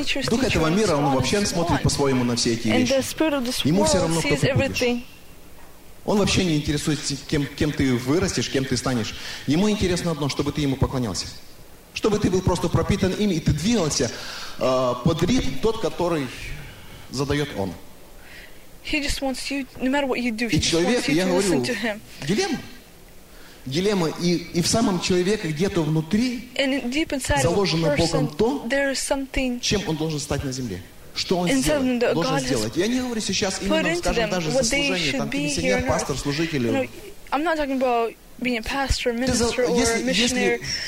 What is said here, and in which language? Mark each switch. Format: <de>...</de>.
<ru>Дух этого мира, он вообще смотрит по-своему на все эти вещи. Ему все равно, кто ты будешь. Он вообще не интересуется, кем ты вырастешь, кем ты станешь. Ему интересно одно, чтобы ты ему поклонялся. Чтобы ты был просто пропитан им, и ты двигался под ритм тот, который задает он.</ru> <en>He just wants you, no matter what you do, he</en> <ru>и человек,</ru> <en>just wants you to</en> <ru>говорю,</ru> <en>listen to him.</en> <ru>Дилемма. Дилемма. И в самом человеке где-то внутри заложено Богом то, чем он должен стать на земле. Что он сделает, должен сделать. Я не говорю сейчас именно, скажем, даже за служение, там, миссионер, пастор, служитель.</ru> <en>I'm not talking about being a pastor, minister, or a missionary.</en>